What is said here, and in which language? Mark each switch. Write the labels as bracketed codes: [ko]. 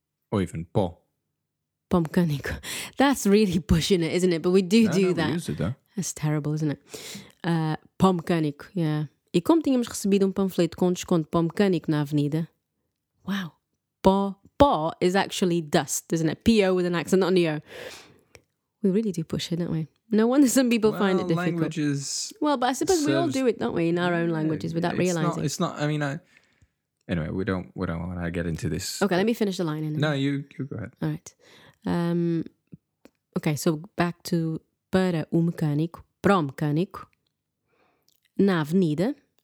[en] Or even pó. [pt] Pó mecânico. [en] That's really pushing it, isn't it? But we do no, do no, that. We use it, though. That's terrible, isn't it? [pt] Pó mecânico, yeah. E como tínhamos recebido panfleto com desconto para o mecânico na avenida... [en] Wow. Pó is actually dust, isn't it? P-O with an accent, not an E-O. We really do push it, don't we? No wonder some people find it difficult. Languages... Well, but I suppose we all do it, don't we, in our own languages without realising. Anyway, we don't want to get into this. Okay, let me finish the line. No, you go ahead. All right. Okay, so back to para o mecânico, pro mecânico, na avenida.